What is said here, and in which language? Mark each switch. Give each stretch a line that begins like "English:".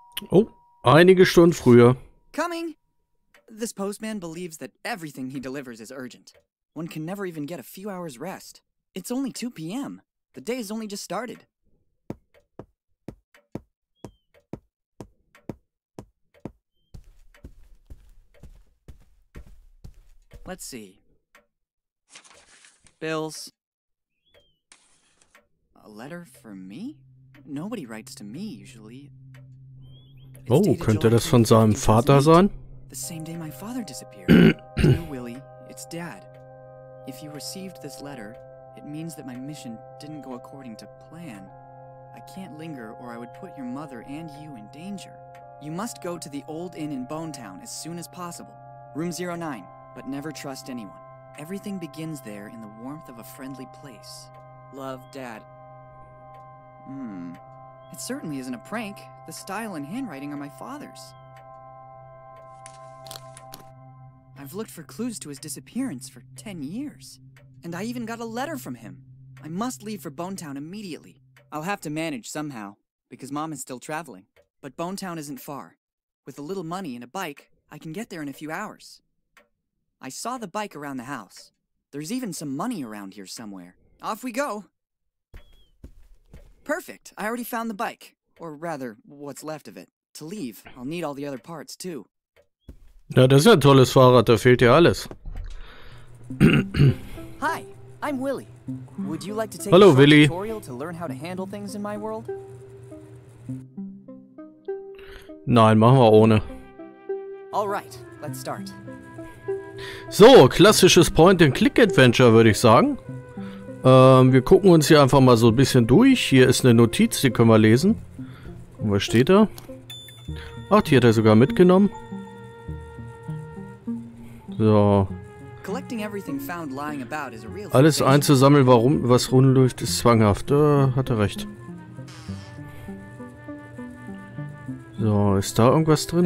German: Oh, einige Stunden früher.
English: Coming! This postman believes that everything he delivers is urgent. One can never even get a few hours rest. It's only 2 p.m. The day has only just started. Let's see. Bills. A letter for me? Nobody writes to me, usually.
German: Oh, könnte das von seinem Vater sein?
English: The same day my father disappeared. Dear Willy, it's Dad. If you received this letter, it means that my mission didn't go according to plan. I can't linger or I would put your mother and you in danger. You must go to the old inn in Bonetown as soon as possible. Room 09, but never trust anyone. Everything begins there in the warmth of a friendly place. Love, Dad. It certainly isn't a prank. The style and handwriting are my father's. I've looked for clues to his disappearance for 10 years. And I even got a letter from him. I must leave for Bonetown immediately. I'll have to manage somehow, because Mom is still traveling. But Bonetown isn't far. With a little money and a bike, I can get there in a few hours. I saw the bike around the house. There's even some money around here somewhere. Off we go! Perfect! I already found the bike. Or rather, what's left of it. To leave, I'll need all the other parts too.
German: Na, das ist ja ein tolles Fahrrad, da fehlt ja alles.
English: Hi, I'm Willy. Would you like to take
German: Hallo,
English: a short tutorial to learn how to handle things in my world?
German: Nein, machen wir ohne.
English: All right, let's start.
German: So, klassisches Point-and-Click-Adventure, würde ich sagen. Wir gucken uns hier einfach mal so ein bisschen durch. Hier ist eine Notiz, die können wir lesen. Und was steht da? Ach, die hat er sogar mitgenommen. So.
English: Collecting everything found lying about is a real
German: Alles einzusammeln, warum was rumläuft, ist zwanghaft. Da hat er recht. So, ist da irgendwas drin?